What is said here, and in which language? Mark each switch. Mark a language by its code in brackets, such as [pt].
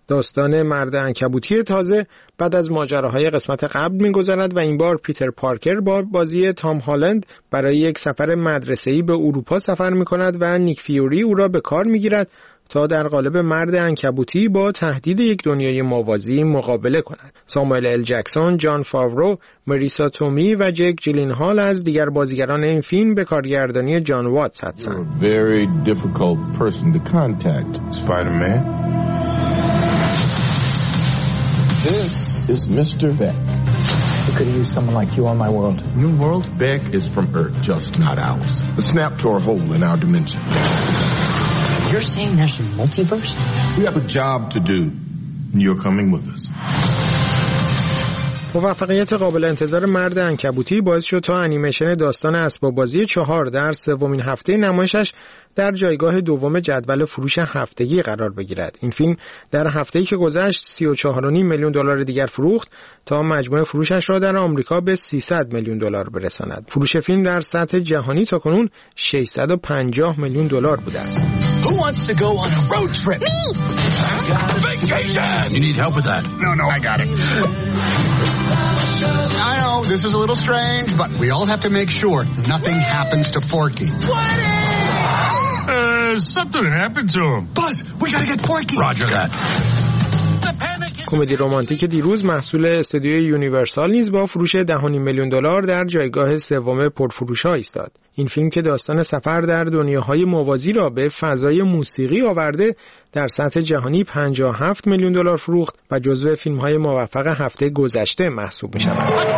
[fa] داستان مرد عنکبوتی تازه بعد از ماجراهای قسمت قبل می‌گذرد و این بار پیتر پارکر با بازی تام هالند برای یک سفر مدرسه‌ای به اروپا سفر می‌کند و نیک فیوری او را به کار می‌گیرد تا در قالب مرد عنکبوتی با تهدید یک دنیای موازی مقابله کند. ساموئل ال جکسون، جان فاورو، مریسا تومی و جک جیلنهال از دیگر بازیگران این فیلم به کارگردانی جان واتس هستند. [en] Very difficult person to contact, Spider-Man. This is Mr. Beck. I could use someone like you on my world. New world? Beck is from Earth, just not ours. A snap to our hole in our dimension. You're saying there's a multiverse? We have a job to do, and you're coming with us. [fa] موفقیت قابل انتظار مرد عنکبوتی باعث شد تا انیمیشن داستان اسباب بازی 4 در سومین هفته نمایشش در جایگاه دوم جدول فروش هفتگی قرار بگیرد. این فیلم در هفته‌ای که گذشت 34.5 میلیون دلار دیگر فروخت تا مجموع فروشش را در آمریکا به 300 میلیون دلار برساند. فروش فیلم در سطح جهانی تاکنون 650 میلیون دلار بوده است. [en] Who wants to go on a road trip? Me! Vacation! You need help with that? No, no, I got it. I know, this is a little strange, but we all have to make sure nothing happens to Forky. What is? Something happened to him. Buzz, we gotta get Forky! Roger that. [fa] کمدی رمانتیک دیروز محصول استودیوی یونیورسال نیز با فروش 10.5 میلیون دلار در جایگاه سوم پرفروش‌ها ایستاد. این فیلم که داستان سفر در دنیاهای موازی را به فضای موسیقی آورده در سطح جهانی 57 میلیون دلار فروخت و جزو فیلم‌های موفق هفته گذشته محسوب می‌شود.